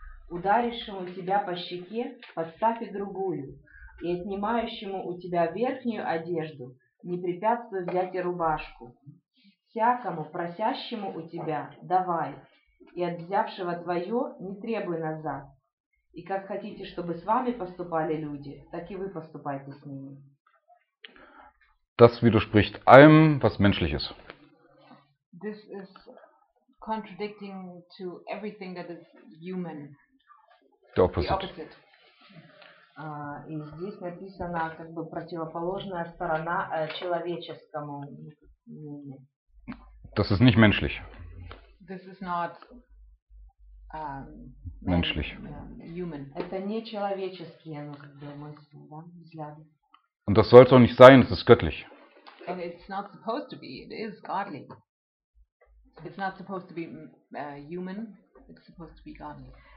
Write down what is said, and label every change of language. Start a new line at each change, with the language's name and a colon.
Russian: Ударившему тебя по щеке, подставь и другую, и отнимающему у тебя верхнюю одежду, не препятствуй взять и рубашку. Всякому просящему у тебя давай, и от взявшего твое не требуй назад. И как хотите, чтобы с вами поступали люди, так и вы поступайте с ними.
German: Das widerspricht allem, was menschlich ist.
English: This is contradicting to everything that is human. The opposite. The opposite.
Russian: И здесь написано как бы противоположная сторона человеческому.
German: Das ist nicht menschlich.
English: This is not
German: menschlich.
English: Human.
Russian: Это не человеческие, ну, как бы, мысли, да, взгляды.
German: Und das soll es auch nicht sein, es ist göttlich.
English: And it's not supposed to be, it is godly. It's not supposed to be human, it's supposed to be godly.